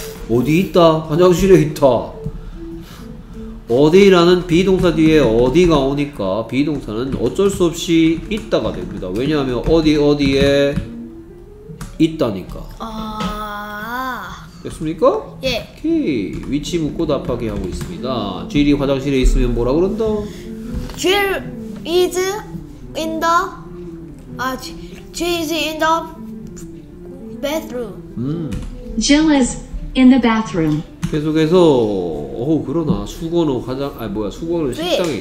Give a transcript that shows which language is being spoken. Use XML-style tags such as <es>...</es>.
<ko>어디 있다 화장실에 있다 어디라는 비동사 뒤에 어디가 오니까 비동사는 어쩔 수 없이 있다가 됩니다. 왜냐하면 어디 어디에 있다니까. 됐습니까? 예. 오케이. 위치 묻고 답하기 하고 있습니다. 질이 화장실에 있으면 뭐라 그런다?</ko> <en>질 is in the 아, 질 is in the bathroom. Jill is in the bathroom.</en> <ko>계속해서 어우 그러나 수건은 화장 아 뭐야 수건은 식당에</ko>